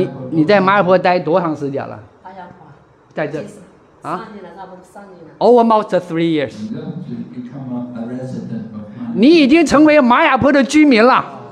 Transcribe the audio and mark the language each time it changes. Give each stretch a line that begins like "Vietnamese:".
Chinese: 你在马尔坡待多长时间了？马尔坡，在这，啊？三年了。
English: Almost 3 years. You become a resident of Mayapur.
Chinese: 你已经成为马尔坡的居民了。